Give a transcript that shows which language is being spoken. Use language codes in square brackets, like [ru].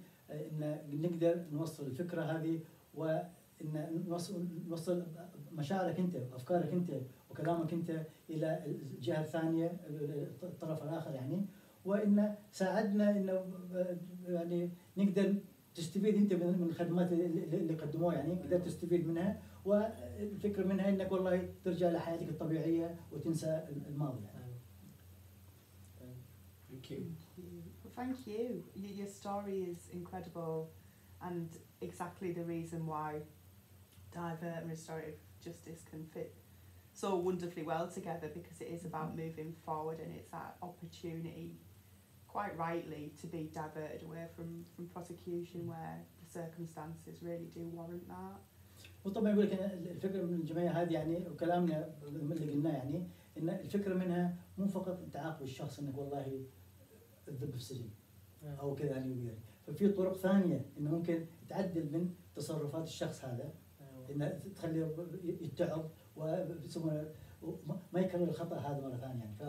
[ar] إن نقدر نوصل الفكرة هذه، وإن نوصل مشاعرك أنت وأفكارك أنت وكلامك أنت إلى الجهة الثانية الطرف الآخر يعني، وإن ساعدنا إنه يعني نقدر تستفيد أنت من الخدمات اللي قدموها، يعني قدرت تستفيد منها، والفكرة منها إنك والله ترجع لحياتك الطبيعية وتنسى الماضي. يعني. [en] Thank you. Thank you. Your story is incredible, and exactly the reason why divert and restorative justice can fit so wonderfully well together, because it is about moving forward, and it's that opportunity, quite rightly, to be diverted away from prosecution where the circumstances really do warrant that. [ar] Well, طبعا يقول لك الفكرة من الجمعية هذه يعني وكلامنا اللي قلناه يعني إن الفكرة منها مو فقط تعاقب الشخص إنك والله الذب في السجن أو كذا يعني وغيره، ففي طرق ثانية إن ممكن تعدل من تصرفات الشخص هذا، إن تخلي يتعب وما يكرر الخطأ هذا مرة ثانية، يعني